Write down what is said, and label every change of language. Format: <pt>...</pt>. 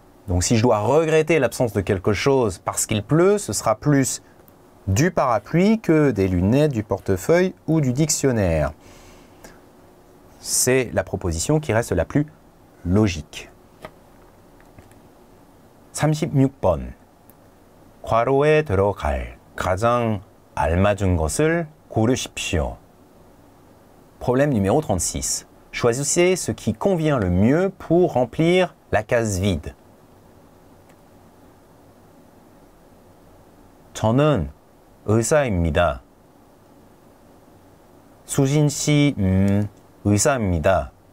<fr>Donc si je dois regretter l'absence de quelque chose parce qu'il pleut, ce sera plus du parapluie que des lunettes, du portefeuille ou du dictionnaire. C'est la proposition qui reste la plus logique.</fr> <ko>36번. 과로에 들어갈 가장 알맞은 것을 고르십시오.</ko> <fr>Problème numéro 36. Choisissez ce qui convient le mieux pour remplir la case vide.</fr> <ko>저는 의사입니다. 수진 씨, 의사입니다.</ko>